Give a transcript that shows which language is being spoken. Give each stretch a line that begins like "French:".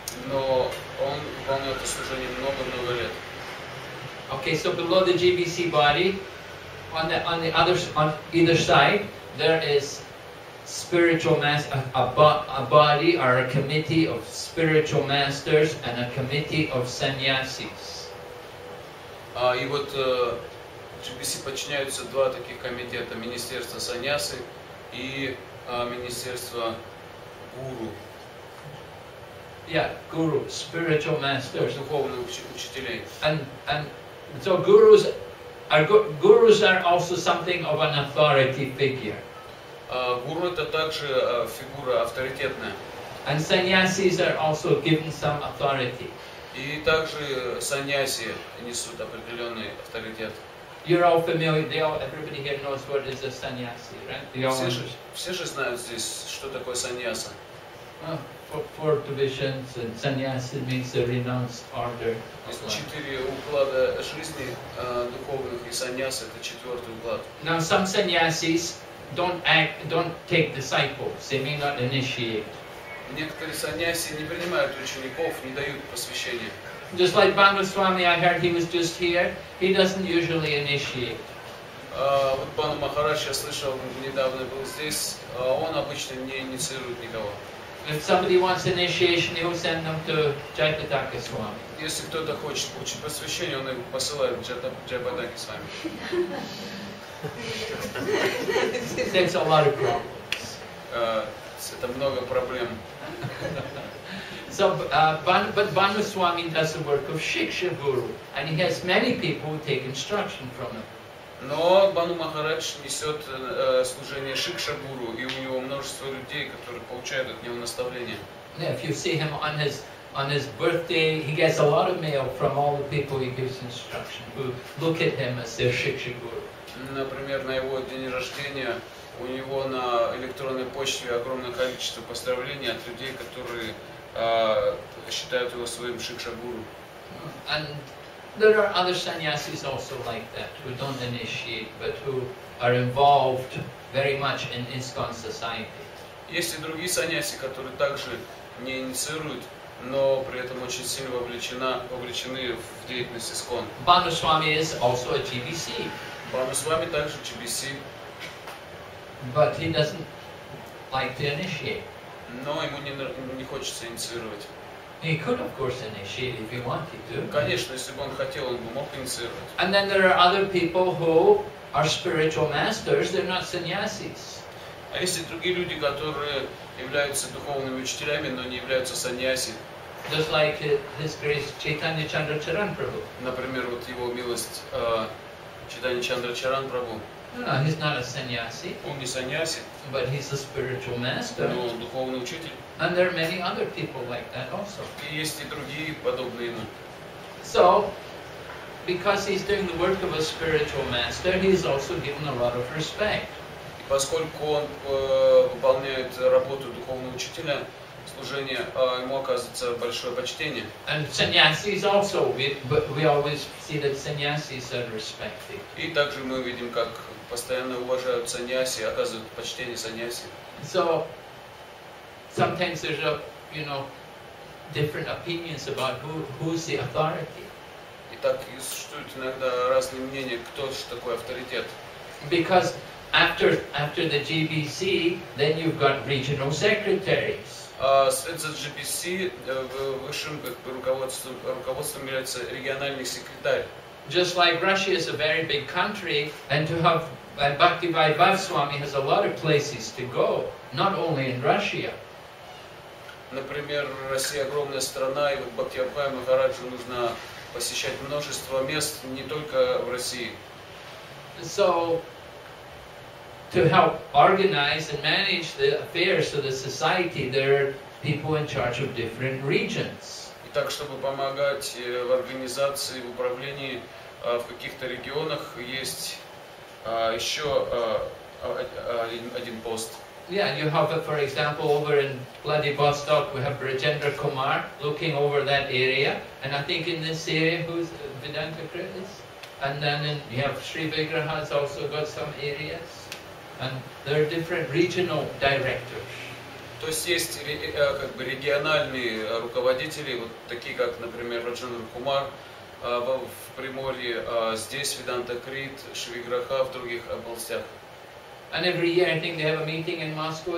Russian: Но он выполнил это служение много-много лет.
English: Okay, so below the GBC body, on either side, there is spiritual master, a body or a committee of spiritual masters and a committee of sannyasis.
Russian: GBC подчиняются два таких комитета, Министерство Саньясы и Министерство Гуру.
English: Yeah, Guru, spiritual masters.
Russian: Духовных учителей.
English: And so gurus are also something of an authority figure.
Russian: Гуру это также фигура авторитетная.
English: And sannyasis are also given some authority.
Russian: И также саньяси несут определенный авторитет.
English: You're all familiar. Everybody here knows what is a sannyasi, right?
Russian: Все же знают здесь, что такое саньяса.
English: Four divisions and sannyasi means a renounced order.
Russian: Четыре уклада жизни духовных и саньяса это четвертый уклад.
English: Now some sannyasis don't take disciples. They may not initiate.
Russian: Некоторые саньяси не принимают учеников, не дают посвящения.
English: Just like Бхагасвами, I heard he was just here. He doesn't usually initiate.
Russian: Вот Бхану Махарадж, я слышал, недавно был здесь. Он обычно не инициирует никого.
English: If somebody wants initiation, he will send them to Jayapataka Swami.
Russian: Если кто-то хочет получить посвящение, он его посылает в Jayapataka Swami.
English: Takes a lot of problems.
Russian: Это много проблем.
English: So, but Bhanu Swami does the work of Shiksha Guru, and he has many people who take instruction from him.
Russian: Но Бхану Махарадж несет служение Шикша Гуру, и у него множество людей, которые получают от него наставления.
English: Yeah, if you see him on his birthday, he gets a lot of mail from all the people he gives instruction to. Look at him as their Shiksha Guru.
Russian: Например, на его день рождения. У него на электронной почте огромное количество поздравлений от людей, которые считают его своим шикшагуру.
English: And there are other sannyasis also like that, who don't initiate, but who are involved very much in ISKCON society.
Russian: Есть и другие саньяси, которые также не инициируют, но при этом очень сильно вовлечены в деятельность ISKCON.
English: Бхану Свами is also a GBC.
Russian: Бхану Свами также GBC.
English: But he doesn't like to initiate.
Russian: Но ему не хочется инициировать.
English: He could, of course, initiate if he wanted to.
Russian: Конечно, если бы он хотел, он бы мог инициировать.
English: And then there are other people who are spiritual masters. They're not sannyasis.
Russian: А есть и другие люди, которые являются духовными учителями, но не являются саньяси.
English: Just like His Grace Chaitanya Chandracharan Prabhu.
Russian: Например, вот его милость Чайтанья Чандрачаран Прабху.
English: No, he's not a sannyasi.
Russian: Он не саньяси.
English: But he's a spiritual master.
Russian: Но он духовный учитель.
English: And there are many other people like that also.
Russian: И есть и другие подобные ему.
English: So, because he's doing the work of a spiritual master, he's also given a lot of respect.
Russian: И поскольку он выполняет работу духовного учителя, служение ему оказывается большое почтение.
English: And sannyasis also, we always see that sannyasis are respected.
Russian: И также мы видим, как постоянно уважают саньяси, оказывают почтение саньяси.
English: So sometimes there's a, you know, different opinions about who's the authority.
Russian: Итак, существуют иногда разные мнения, кто же такой авторитет.
English: Because after the GBC, then you've got regional secretaries.
Russian: След за GBC высшим руководством является региональный секретарь.
English: Just like Russia is a very big country, and to have Bhaktivai Bhavaswami has a lot of places to go, not only in Russia.
Russian: Например, Россия огромная страна, и вот Бхактивай Махараджу нужно посещать множество мест, не только в России.
English: So, to help organize and manage the affairs of the society, there are people in charge of different regions.
Russian: Итак, чтобы помогать в организации, в управлении в каких-то регионах, есть еще один пост.
English: Yeah, you have, for example, over in Vladivostok, we have Brajendra Kumar looking over that area, and I think in this area, who's Vedanta Kritis? And then you have Sri Vigraha has also got some areas, and there are different regional directors.
Russian: То есть есть как бы региональные руководители, вот такие как, например, Раджендра Кумар в Приморье, здесь Веданта Крит, Шри Виграха в других областях.
English: And every year, I think they have a meeting in Moscow.